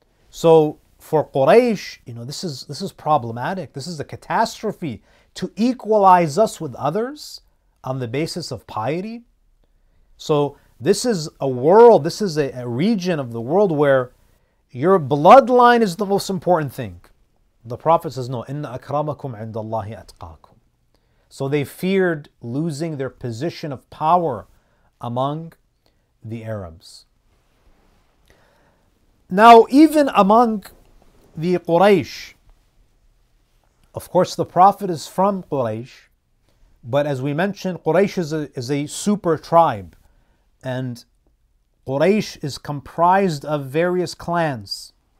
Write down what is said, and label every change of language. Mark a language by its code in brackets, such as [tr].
[en] So for Quraysh, you know, this is problematic. This is a catastrophe to equalize us with others on the basis of piety. So this is a region of the world where, your bloodline is the most important thing. The Prophet says, no, [ar] إِنَّ أَكْرَمَكُمْ عِنْدَ اللَّهِ أَتْقَاكُمْ. [en] So they feared losing their position of power among the Arabs. Now, even among the Quraysh, of course, the Prophet is from Quraysh, but as we mentioned, Quraysh is a super tribe, and Quraysh is comprised of various clans.